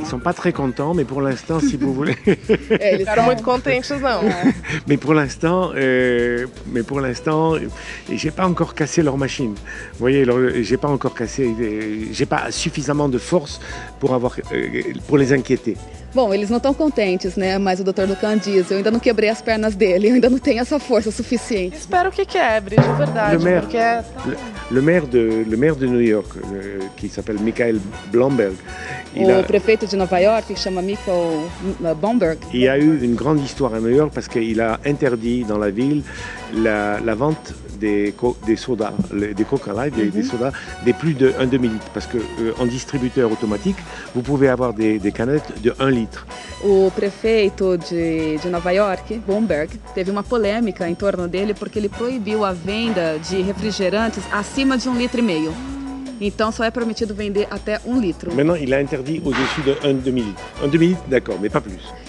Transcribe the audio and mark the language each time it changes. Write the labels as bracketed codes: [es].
[fr] Ils ne sont pas très contents, mais pour l'instant, si vous voulez... Ils ne sont pas très contents, non. Mais pour l'instant, je n'ai pas encore cassé leur machine. Vous voyez, je n'ai pas encore cassé, je n'ai pas suffisamment de force pour les inquiéter. [pt] Bom, eles não estão contentes, né? Mas o Dr. Lucan diz, eu ainda não quebrei as pernas dele, eu ainda não tenho essa força suficiente. Espero que quebre, de verdade. [fr] Le maire de New York, [pt] que se chama [fr] Michael Bloomberg. [pt] Prefeito de Nova York, que se chama Michael Bloomberg. [fr] Il a eu une grande histoire à New York parce qu'il a interdit dans la ville la vente des sodas, des plus de 1 demi-litre. Parce qu'en distributeur automatique, vous pouvez avoir des canettes de 1 litre. [pt] O prefeito de Nova York, Bloomberg, teve uma polêmica em torno dele porque ele proibiu a venda de refrigerantes acima de 1,5 litro. Então só é permitido vender até 1 litro. [fr] Maintenant, il a interdit au-dessus de 1 demi-litre. 1 demi-litre, d'accord, mais pas plus.